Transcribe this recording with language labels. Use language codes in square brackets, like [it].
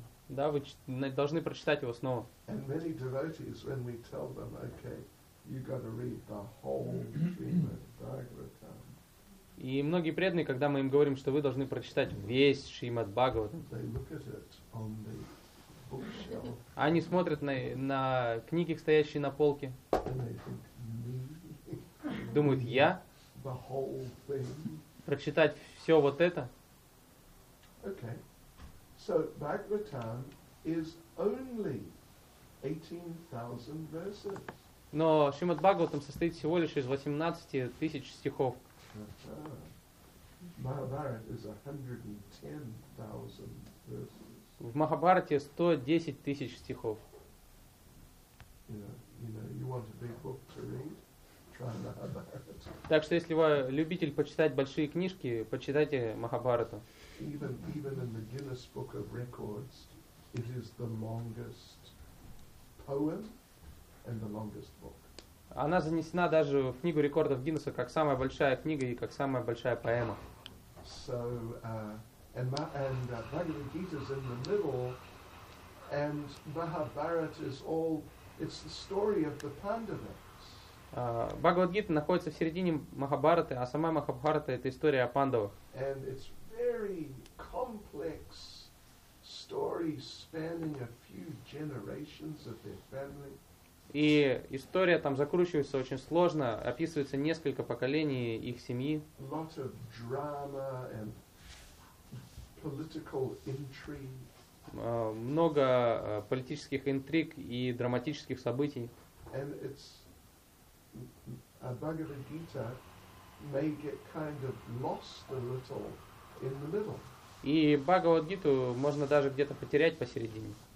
[ru] Да, вы должны прочитать его снова. [en] And many devotees, when we tell them, okay, you got to read the whole Srimad Bhagavatam. [ru] И многие преданные, когда мы им говорим, что вы должны прочитать весь Шримад Бхагаватам, [en] they look at it on the bookshelf. [ru] Они смотрят на книги, стоящие на полке. [en] And they think, me? [ru] Думают, я? [en] The whole thing. [ru] Прочитать все вот это. [en] Okay. So Bhagavatam is only 18,000 verses. [ru] Но Шримад Бхагаватам состоит всего лишь из 18,000 стихов. [en] Mahabharata is 110,000 verses. [ru] В Махабхарате 110,000 стихов. [en] You want a big book to read? [ru] Так что, если вы любитель почитать большие книжки, почитайте Махабхарату. [en] Even in the Guinness Book of Records, it is the longest poem and the longest book. [ru] Она занесена даже в книгу рекордов Гиннесса как самая большая книга и как самая большая поэма. [en] So Bhagavad Gita is in the middle, and Mahabharata is all, it's the story of the Pandavas. [ru] Bhagavad Gita находится в середине Махабхараты, а сама Махабхарата — это история о пандавах. [en] And it's very complex story spanning a few generations of their family. [ru] И история там закручивается очень сложно, описывается несколько поколений их семьи. [en] Lot of drama and political intrigue. [ru] Много политических интриг и драматических событий. [en] And it's a Bhagavad Gita may get kind of lost a little in the middle. [ru] И Бхагавад Гиту можно даже где-то потерять посередине.